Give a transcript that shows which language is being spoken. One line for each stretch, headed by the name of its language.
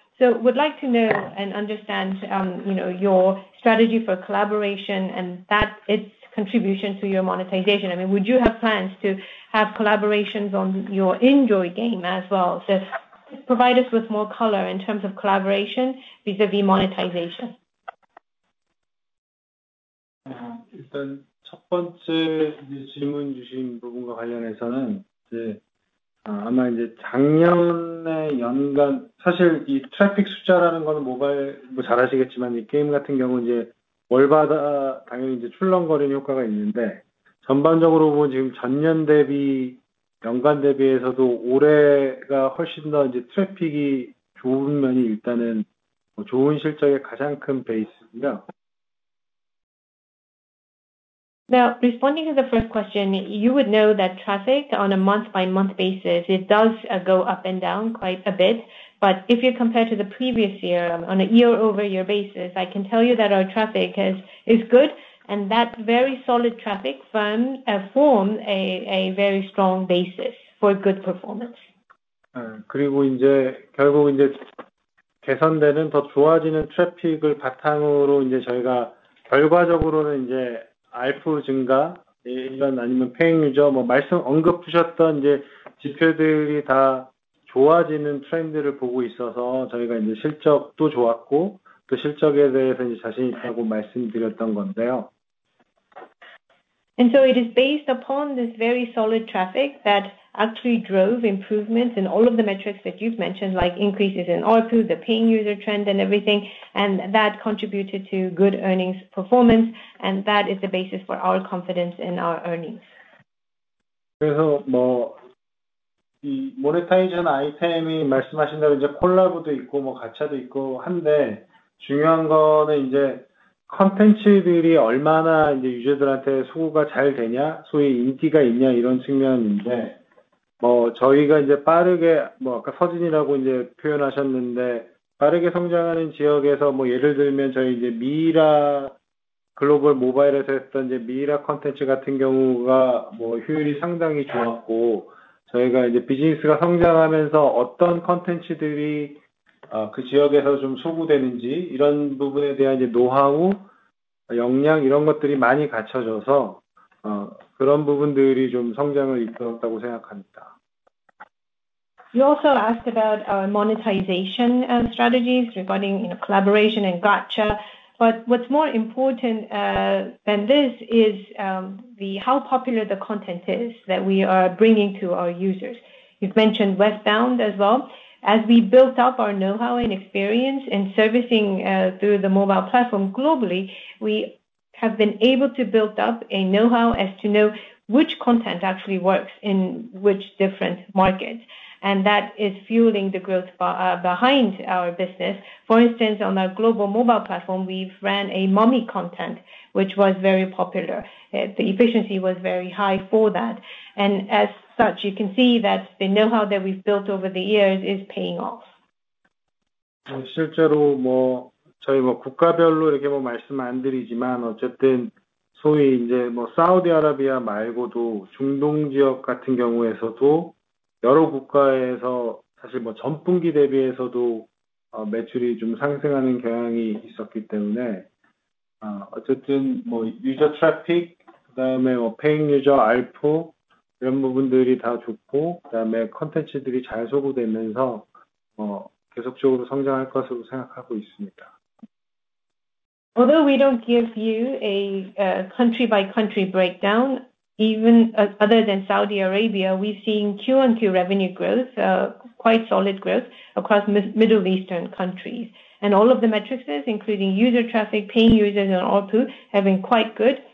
English: So would like to know and understand, you know, your strategy for collaboration and that its contribution to your monetization. I mean, would you have plans to have collaborations on your Enjoy game as well? So provide us with more color in terms of collaboration vis-a-vis monetization.
Korean: 일단 첫 번째 질문 주신 부분과 관련해서는 이제 아마 이제 작년에 연간 사실 이 트래픽 숫자라는 건 모바일 뭐 잘 아시겠지만 이 게임 같은 경우 이제 월마다 당연히 이제 출렁거리는 효과가 있는데 전반적으로 보면 지금 전년 대비 연간 대비에서도 올해가 훨씬 더 이제 트래픽이 좋은 면이 일단은 뭐 좋은 실적의 가장 큰 베이스입니다.
English: Now, responding to the first question, you would know that traffic on a month-by-month basis, it does go up and down quite a bit. But if you compare to the previous year, on a year-over-year basis, I can tell you that our traffic is good, and that very solid traffic formed a very strong basis for good performance.
Korean: 그리고 이제 결국 이제 개선되는 더 좋아지는 트래픽을 바탕으로 이제 저희가 결과적으로는 이제 알프 증가 이런 아니면 페잉 유저 뭐 말씀 언급 주셨던 이제 지표들이 다 좋아지는 트렌드를 보고 있어서 저희가 이제 실적도 좋았고 또 실적에 대해서 이제 자신 있다고 말씀드렸던 건데요.
English: And so it is based upon this very solid traffic that actually drove improvements in all of the metrics that you've mentioned, like increases in ARPU, the paying user trend and everything, and that contributed to good earnings performance, and that is the basis for our confidence in our earnings.
Korean: 그래서 뭐 이 모네타이즈한 아이템이 말씀하신 대로 이제 콜라보도 있고 뭐 가챠도 있고 한데 중요한 거는 이제 컨텐츠들이 얼마나 이제 유저들한테 소구가 잘 되냐, 소위 인기가 있냐 이런 측면인데 뭐 저희가 이제 빠르게 뭐 아까 서진이라고 이제 표현하셨는데 빠르게 성장하는 지역에서 뭐 예를 들면 저희 이제 미라 글로벌 모바일에서 했던 이제 미라 컨텐츠 같은 경우가 뭐 효율이 상당히 좋았고 저희가 이제 비즈니스가 성장하면서 어떤 컨텐츠들이 그 지역에서 좀 소구되는지 이런 부분에 대한 이제 노하우, 역량 이런 것들이 많이 갖춰져서 그런 부분들이 좀 성장을 이끌었다고 생각합니다.
English: You also asked about our monetization strategies regarding, you know, collaboration and gacha. But what's more important than this is how popular the content is that we are bringing to our users. You've mentioned Westbound as well. As we built up our know-how and experience in servicing through the mobile platform globally, we have been able to build up a know-how as to know which content actually works in which different markets. And that is fueling the growth behind our business. For instance, on our global mobile platform, we've ran a mommy content, which was very popular. The efficiency was very high for that. And as such, you can see that the know-how that we've built over the years is paying off.
Korean: 실제로 뭐 저희 뭐 국가별로 이렇게 뭐 말씀 안 드리지만 어쨌든 소위 이제 뭐 사우디아라비아 말고도 중동 지역 같은 경우에서도 여러 국가에서 사실 뭐 전분기 대비해서도 매출이 좀 상승하는 경향이 있었기 때문에 어쨌든 뭐 유저 트래픽 그다음에 뭐 페잉 유저 알프 이런 부분들이 다 좋고 그다음에 컨텐츠들이 잘 소구되면서 계속적으로 성장할 것으로 생각하고 있습니다.
English: Although we don't give you a country by country breakdown, even other than Saudi Arabia, we've seen Q-on-Q revenue growth, quite solid growth across Middle Eastern countries. And all of the metrics, including user traffic, paying users, and ARPU, have been quite good.